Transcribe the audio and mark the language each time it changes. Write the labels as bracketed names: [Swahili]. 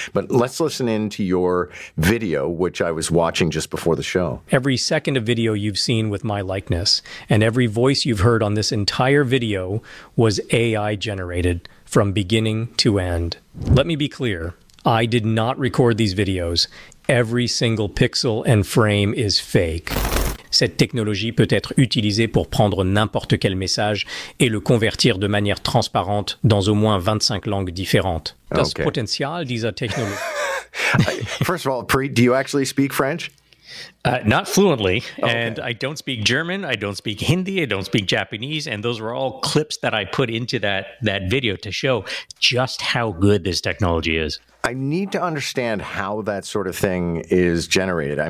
[English] But let's listen in to your video, which I was watching just before the show. Every second of video you've seen with my likeness and every voice you've heard on this entire video was AI generated from beginning to end. Let me be clear, I did not record these videos. Every single pixel and frame is fake. [French] Cette technologie peut être utilisée pour prendre n'importe quel message et le convertir de manière transparente dans au moins 25 langues différentes. [German] Das Potenzial dieser Technologie. [English] First of all, Preet, do you actually speak French? Not fluently, and I don't speak German, I don't speak Hindi, I don't speak Japanese, and those were all clips that I put into that video to show just how good this technology is. I need to understand how that sort of thing is generated.